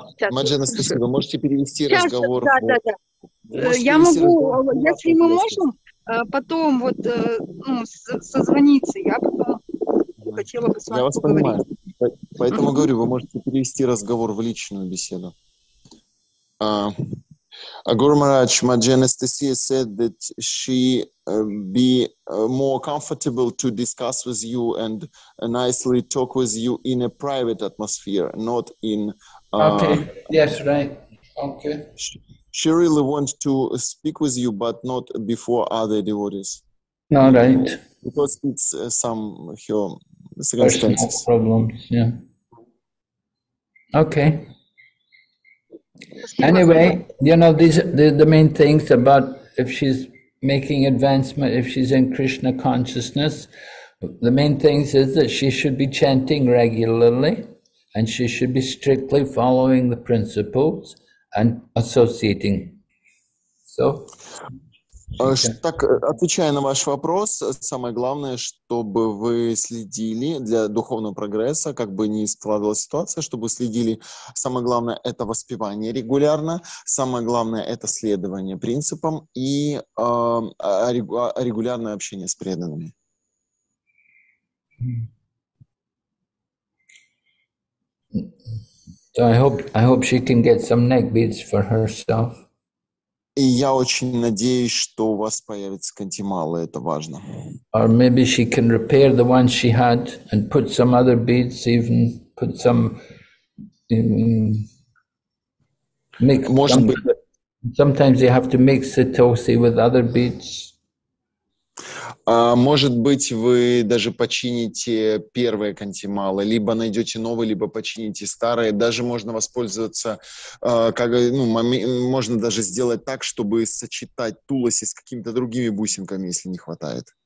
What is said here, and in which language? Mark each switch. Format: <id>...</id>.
<ru>Маджина, спасибо, вы можете перевести сейчас, разговор? Да, да, да. Я могу, если мы можем, потом вот созвониться, я бы хотела бы с вами поговорить. Я вас понимаю, поэтому говорю, вы можете перевести разговор в личную беседу.</ru> <en>Guru Maharaj, Madhya Anastasia said that she be more comfortable to discuss with you and nicely talk with you in a private atmosphere, not in... Okay, yes, right. Okay. She really wants to speak with you, but not before other devotees. No, right. Because it's some her circumstances. Personal problems, yeah. Okay. Anyway, you know, these the main things about if she's making advancement, if she's in Krishna consciousness, the main things is that she should be chanting regularly, and she should be strictly following the principles and associating. So,</en> <ru>так, отвечая на ваш вопрос, самое главное, чтобы вы следили для духовного прогресса, как бы ни складывалась ситуация, чтобы следили, самое главное – это воспевание регулярно, самое главное – это следование принципам и регулярное общение с преданными.</ru> <en>So I hope she can get some neck beads for herself.</en> <ru>И я очень надеюсь, что у вас появится кантималы, это важно.</ru> <en>Or maybe she can repair the one she had and put some other beads, even put some make.</en> <ru>Может</ru> <en>some,</en> <ru>быть.</ru> <en>Sometimes you have to mix the tosi with other beads.</en> <ru>А может быть, вы даже почините первые кантималы, либо найдете новые, либо почините старые. Даже можно воспользоваться, можно даже сделать так, чтобы сочетать туласи с какими-то другими бусинками, если не хватает.</ru>